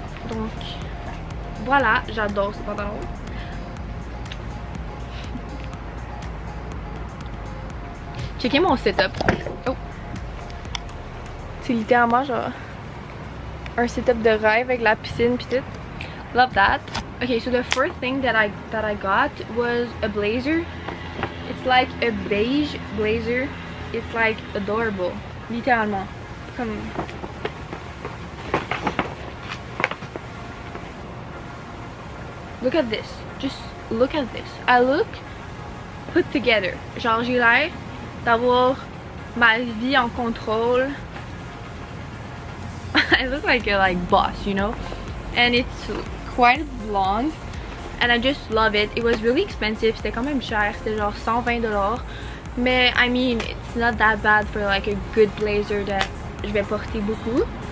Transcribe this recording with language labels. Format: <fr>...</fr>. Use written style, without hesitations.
<fr>Donc voilà, j'adore ces pantalons. Checkez mon setup. Oh, c'est littéralement genre un setup de rêve avec la piscine pis tout.</fr> <en>Love that. Okay, so the first thing that I got was a blazer. It's like a beige blazer. It's like adorable.</en> <fr>Littéralement. Comme...</fr> <en>Look at this. Just look at this. I look put together.</en> <fr>Genre j'ai l'air d'avoir ma vie en contrôle.</fr> <en>I look like a like boss, you know, and it's quite long, and I just love it. It was really expensive.</en> <fr>C'était quand même cher. C'était genre $120.</fr> <en>Mais I mean, it's not that bad for like a good blazer that</en> <fr>je vais porter beaucoup.</fr>